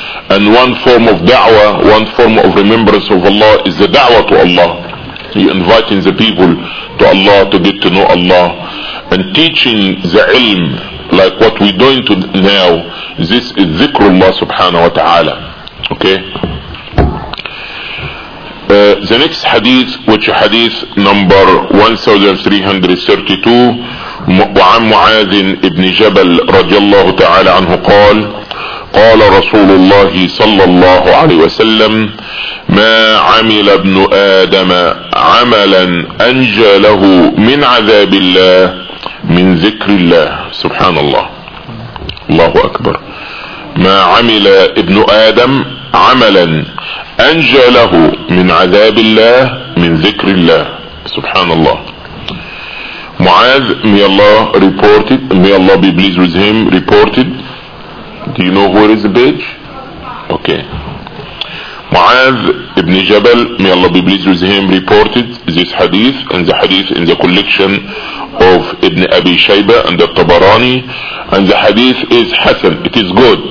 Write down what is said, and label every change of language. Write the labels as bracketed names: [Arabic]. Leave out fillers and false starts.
[English] And one form of da'wah, one form of remembrance of Allah is the da'wah to Allah. You're inviting the people to Allah to get to know Allah, and teaching the ilm, like what we're doing to now, this is dhikrullah subhanahu wa ta'ala. Okay? The next hadith, which is hadith number 1332, [Arabic] وعن معاذ ابن جبل رضي الله تعالى عنه قال قال رسول الله صلى الله عليه وسلم ما عمل ابن آدم عملا أنجى له من عذاب الله من ذكر الله. سبحان الله, الله أكبر. ما عمل ابن آدم عملا أنجى له من عذاب الله من ذكر الله. سبحان الله. [English] معاذ, may Allah reported, may Allah be pleased with him, reported. Do you know where is the page? Okay. Mu'adh ibn Jabal, may Allah be pleased with him, reported this hadith, and the hadith in the collection of Ibn Abi Shayba and the Tabarani, and the hadith is hasan, it is good.